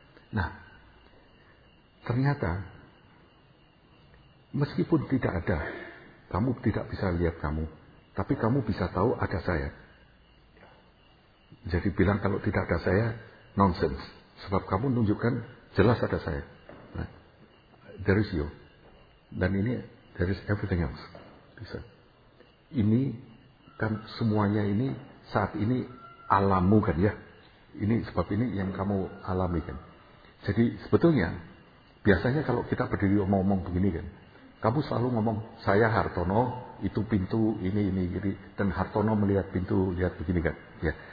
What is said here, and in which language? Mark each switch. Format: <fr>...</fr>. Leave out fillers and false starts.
<id>Nah, ternyata meskipun tidak ada, kamu tidak bisa lihat kamu, tapi kamu bisa tahu ada saya. Jadi bilang kalau tidak ada saya, nonsense. Sebab kamu nunjukkan jelas ada saya.</id> <en>Nah, there is you.</en> <id>Dan ini,</id> <en>there is everything else.</en> <id>Bisa. Ini kan semuanya ini saat ini alammu kan ya. Ini sebab ini yang kamu alami kan. Jadi sebetulnya biasanya kalau kita berdiri ngomong begini kan, kamu selalu ngomong saya Hartono, itu pintu ini gini, dan Hartono melihat pintu lihat begini kan. Ya.</id>